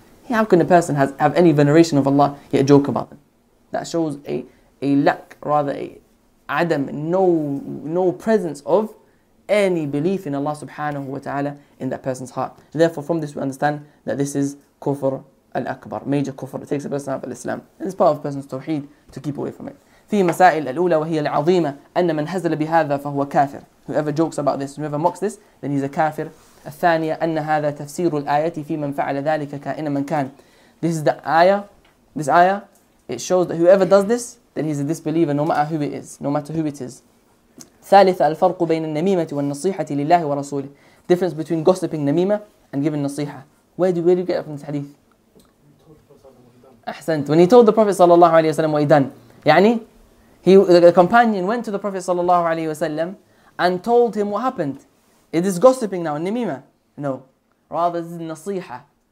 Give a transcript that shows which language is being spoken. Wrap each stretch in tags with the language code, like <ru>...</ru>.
<en>How can a person have any veneration of Allah yet joke about them? That shows a lack, rather a adam, no presence of any belief in Allah subhanahu wa taala in that person's heart. Therefore, from this we understand that this is kufr. الأكبر, major kufr, takes a person out of Islam. It's part of a person's tawheed to keep away from it.</en> <ar>في مسائل الأولى وهي العظيمة أن من هزل بهذا فهو كافر.</ar> <en>Whoever jokes about this, whoever mocks this, then he's a kafir.</en> <ar>الثانية أن هذا تفسير الآية في من فعل ذلك كائنا من كان.</ar> <en>This is the ayah. This ayah, it shows that whoever does this, then he's a disbeliever no matter who it is.</en> <ar>ثالثة الفرق بين النميمة والنصيحة لله ورسوله.</ar> <en>Difference between gossiping namima and giving nasiha. Where do you get it from this hadith?</en> <ar>أحسنت.</ar> <en>When he told the Prophet صلى الله عليه وسلم what he done,</en> <ar>يعني</ar> <en>the companion went to the Prophet صلى الله عليه وسلم and told him what happened. Is this gossiping now, النميمة? No. Rather, this is النصيحة.</en>